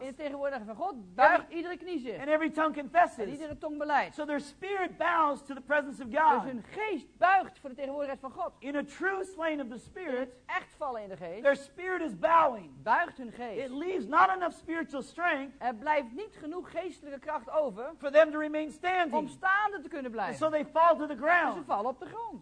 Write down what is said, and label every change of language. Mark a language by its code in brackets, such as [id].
[nl] In de tegenwoordigheid van God buigt iedere knie zich. [en] And every tongue confesses. [nl] En iedere tong belijdt. [en] So their spirit bows to the presence of God. [nl] Dus hun geest buigt voor de tegenwoordigheid van God. [en] In a true slain of the spirit, [nl] echt vallen in de geest. [en] Their spirit is bowing. [nl] Buigt hun geest. [en] It leaves not enough spiritual strength. [nl] Er blijft niet genoeg geestelijke kracht over. [en] For them to remain standing. [nl] Om staande te kunnen blijven. [en] And so they fall to the ground. [nl] Ze vallen op de grond.